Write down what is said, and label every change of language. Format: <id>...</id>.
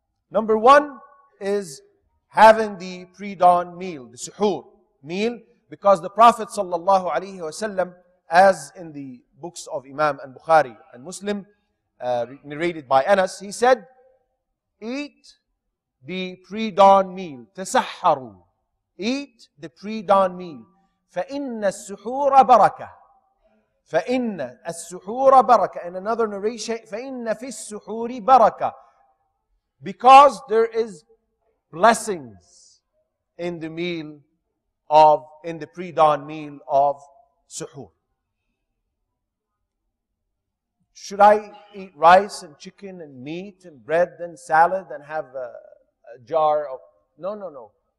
<en>Number one is having the pre-dawn meal, the suhoor meal, because the Prophet sallallahu alayhi wa sallam, as in the books of Imam and Bukhari and Muslim, narrated by Anas, he said, eat the pre-dawn meal,</en> <ar>tasahharu,</ar> <en>eat the pre-dawn meal,</en> <ar>fa'inna as-suhoora barakah. فَإِنَّ السُّحُورَ بَرَكَةٌ.</ar> <en>In another narration,</en> <ar>فَإِنَّ فِي السُّحُورِ بَرَكَةٌ.</ar> <en>Because there is blessings in the meal of, in the pre-dawn meal of suhoor. Should I eat rice and chicken and meat and bread and salad and have a jar of, no.</en>